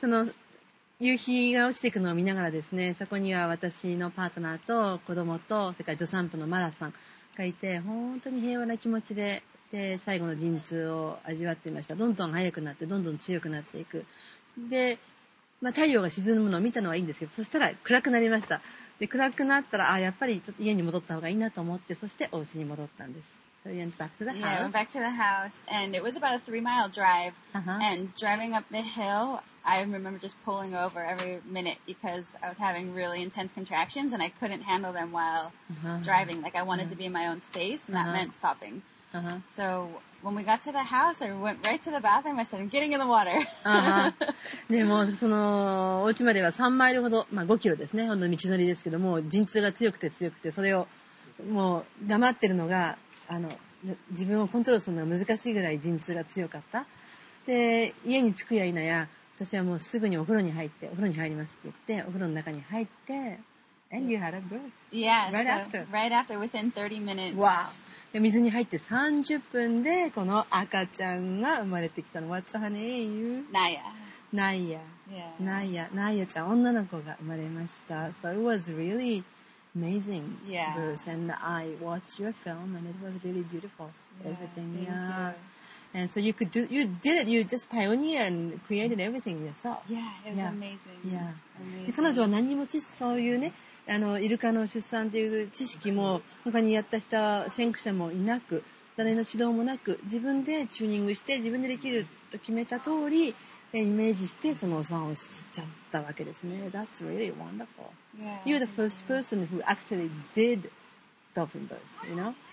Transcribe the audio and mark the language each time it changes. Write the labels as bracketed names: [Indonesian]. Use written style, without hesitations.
[Japanese] その夕日が落ちていくのを見ながらですね、そこには私のパートナーと子供と、それから助産婦のマラさんがいて、本当に平和な気持ちで、で、最後の陣痛を味わっていました。どんどん早くなって、どんどん強くなっていく。で、まあ、太陽が沈むのを見たのはいいんですけど、そしたら暗くなりました。で、暗くなったら、あ、やっぱりちょっと家に戻った方がいいなと思って、そしてお家に戻ったんです。 [English] So you went back to the house? Yeah, I went back to the house, and it was about a 3-mile drive,、uh-huh. and driving up the hill,I remember just pulling over every minute because I was having really intense contractions and I couldn't handle them while driving. Like I wanted to be in my own space and that meant stopping. So when we got to the house, I went right to the bathroom. I said, I'm getting in the water. [Japanese] でもそのお家までは3マイルほど、まあ5キロですね、ほんの道のりですけども、陣痛が強くて強くて、それをもう黙ってるのが、自分をコントロールするのが難しいぐらい陣痛が強かった。で、家に着くや否や、私はもうすぐにお風呂に入って、お風呂に入りますって言って、お風呂の中に入って、 [English] and you had a birth. Yeah, right after. Right after, within 30 minutes. Wow. [Japanese] で、水に入って30分で、この赤ちゃんが生まれてきたの。 [English] What's her name? Naya. Naya. Yeah. [Japanese] Naya. Naya ちゃん、女の子が生まれました。 [English] So it was really amazing, yeah. Bruce. And I watched your film, and it was really beautiful. Yeah, everything, thank yeah. You. And so you could do, you did it. You just pioneered and created everything yourself. Yeah, it was yeah. amazing. Yeah. Amazing. [Japanese] 彼女は何にもそういうね、あのイルカの出産という知識も他にやった人は先駆者もいなく、誰の指導もなく、自分でチューニングして自分でできると決めた通り。イメージしてそのお産をしちゃったわけですね。 [English] That's really wonderful. Yeah, you're the first person who actually did dolphin birth, you know?